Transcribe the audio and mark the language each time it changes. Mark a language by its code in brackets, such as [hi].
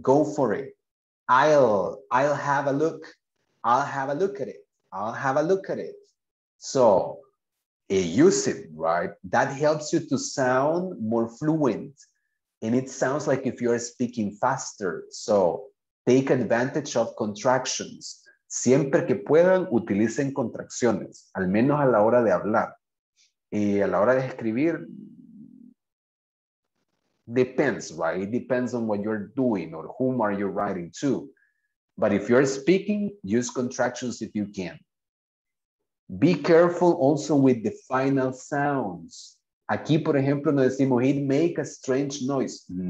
[en] Go for it. I'll have a look. I'll have a look at it. So use it, right? That helps you to sound more fluent. And it sounds like if you are speaking faster. So take advantage of contractions. [es] Siempre que puedan, utilicen contracciones, al menos a la hora de hablar. Y a la hora de escribir, depends, right? [en] It depends on what you're doing or whom are you writing to. But if you're speaking, use contractions if you can. Be careful also with the final sounds. [es] Aquí, por ejemplo, nos decimos, [en] it make a strange noise.